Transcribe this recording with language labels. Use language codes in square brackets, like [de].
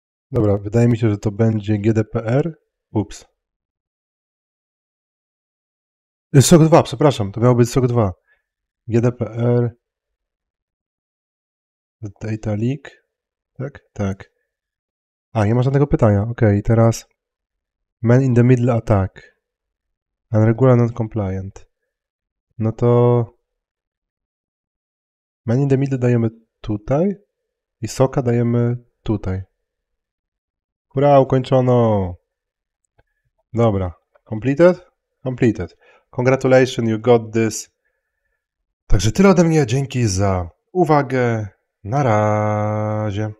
[pl] Nie Dobra, wydaje mi się, że to będzie GDPR. Ups. SOC 2, przepraszam, to miało być SOC 2. GDPR. [en] Data leak. [pl] Tak? Tak. A, nie ma żadnego pytania. Ok, teraz. [en] Man in the middle attack. Unregular not compliant. [pl] No to. [en] Man in the middle [pl] dajemy tutaj. I soka dajemy tutaj. Hurra, ukończono. Dobra. [en] Completed? Completed. Congratulations, you got this. [pl] Także tyle ode mnie. Dzięki za uwagę. Na razie.